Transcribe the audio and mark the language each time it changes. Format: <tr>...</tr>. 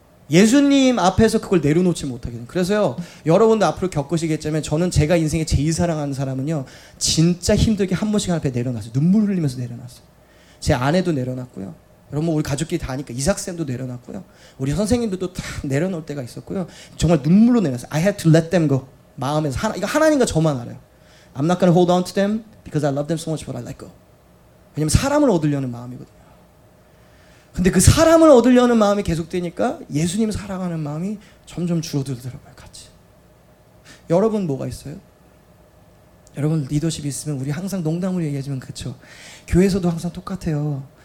<ko>예수님 앞에서 그걸 내려놓지 못하게 돼요. 그래서요, 여러분도 앞으로 겪으시겠지만 저는 제가 인생에 제일 사랑하는 사람은요, 진짜 힘들게 한 번씩 앞에 내려놨어요. 눈물 흘리면서 내려놨어요. 제 아내도 내려놨고요. 여러분 우리 가족끼리 다 아니까 이삭쌤도 내려놨고요. 우리 선생님들도 다 내려놓을 때가 있었고요. 정말 눈물로 내려놨어요.</ko> <en>I had to let them go.</en> <ko>마음에서. 이거 하나님과 저만 알아요.</ko> <en>I'm not gonna hold on to them because I love them so much but I let go.</en> <ko>왜냐면 사람을 얻으려는 마음이거든요. 근데 그 사람을 얻으려는 마음이 계속되니까 예수님 사랑하는 마음이 점점 줄어들더라고요, 같이. 여러분 뭐가 있어요? 여러분 리더십이 있으면 우리 항상 농담으로 얘기하지만 그렇죠. 교회에서도 항상 똑같아요.</ko>